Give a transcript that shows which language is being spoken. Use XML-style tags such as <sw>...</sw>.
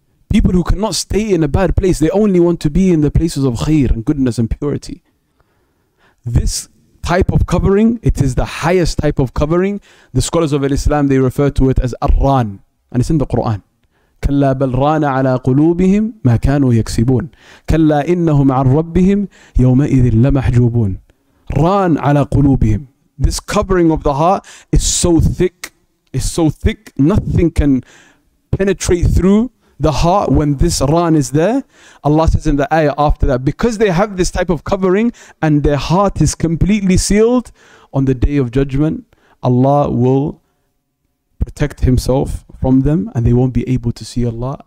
<en>People who cannot stay in a bad place, they only want to be in the places of khair and goodness and purity. This type of covering, it is the highest type of covering. The scholars of Islam, they refer to it as arran, and it's in the Quran.</en> <ar>كلا بل ران على قلوبهم ما كانوا يكسبون كلا إنهم عن ربهم يومئذ لمحجوبون ران على قلوبهم.</ar> <en>This covering of the heart is so thick, nothing can penetrate through the heart when this ran is there. Allah says in the ayah after that, because they have this type of covering and their heart is completely sealed, on the day of judgment, Allah will protect himself from them and they won't be able to see Allah.</en>